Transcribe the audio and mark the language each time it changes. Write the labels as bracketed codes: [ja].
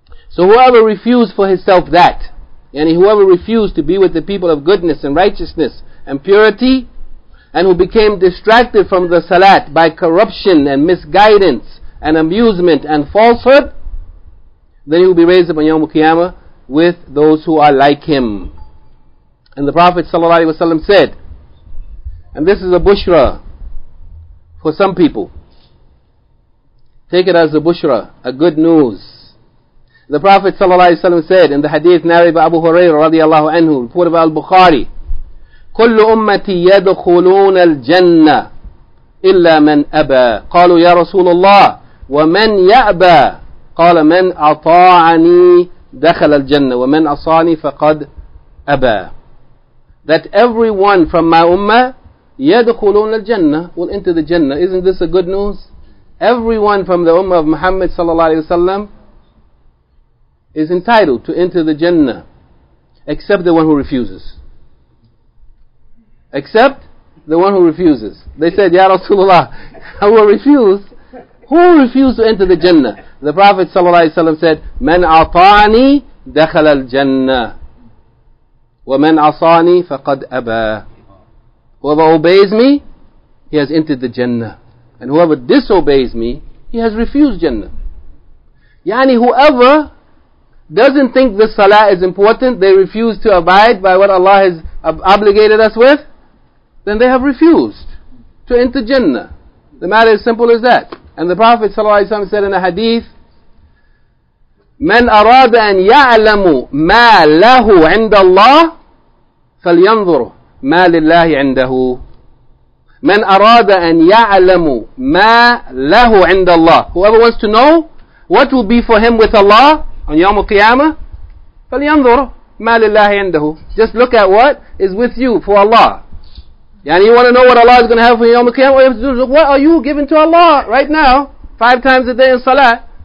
[en] So whoever refused for himself that, and whoever refused to be with the people of goodness and righteousness and purity, and who became distracted from the salat by corruption and misguidance and amusement and falsehood, then he will be raised up on Yawm al-Qiyamah with those who are like him. And the Prophet ﷺ said, and this is a bushra for some people, take it as a bushra, a good news. The Prophet ﷺ said in the hadith narrated by Abu Hurairah radiallahu anhu, report of al-Bukhari, [ar] كُلُّ أُمَّتِي يَدْخُلُونَ الْجَنَّةِ إِلَّا مَنْ أَبَى قَالُوا يَا رَسُولَ اللَّهِ وَمَنْ يَأْبَى قَالَ مَنْ أَطَاعَنِي دَخَلَ الْجَنَّةِ وَمَنْ أَصَانِي فَقَدْ أَبَى. [en] That everyone from my ummah [ar] يَدْخُلُونَ الْجَنَّةِ [en] will enter the Jannah. Isn't this a good news? Everyone from the ummah of Muhammad ﷺ is entitled to enter the Jannah, except the one who refuses. Except the one who refuses. They said, Ya Rasulullah, who will refuse? Who will refuse to enter the Jannah? The Prophet ﷺ said, [ar] Man atani dakhal al Jannah. Wa man asani faqad aba. [en] Whoever obeys me, he has entered the Jannah. And whoever disobeys me, he has refused Jannah. Yani whoever doesn't think the salah is important, they refuse to abide by what Allah has obligated us with, then they have refused to enter Jannah. The matter is simple as that. And the Prophet ﷺ said in a hadith, [ar] مَنْ أَرَادَ أَنْ يَعْلَمُ مَا لَهُ عِنْدَ اللَّهِ فَلْيَنْظُرُ مَا لِلَّهِ عِنْدَهُ. مَنْ أَرَادَ أَنْ يَعْلَمُ مَا لَهُ عِنْدَ اللَّهِ. [en] Whoever wants to know what will be for him with Allah on Yawm al-Qiyamah, [ar] فَلْيَنْظُرُ مَا لِلَّهِ عِنْدَهُ. [en] Just look at what is with you for Allah. Yani you want to know what Allah is going to have for Yawm al-Qiyamah? What are you giving to Allah right now? Five times a day in Salah.